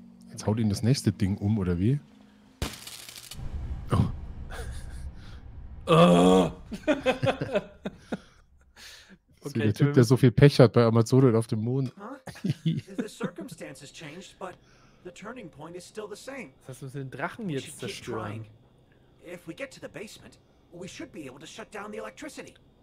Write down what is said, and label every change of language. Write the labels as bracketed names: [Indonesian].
[German] Jetzt haut ihn das nächste Ding um, oder wie? Oh. Okay, der Typ, der so viel Pech hat bei Amazon und auf dem Mond. [English] The circumstances changed, but the turning point is still the same. [German] Das heißt, wir müssen den Drachen jetzt zerstören. [English] If we get to the basement, we should be able to shut down the electricity.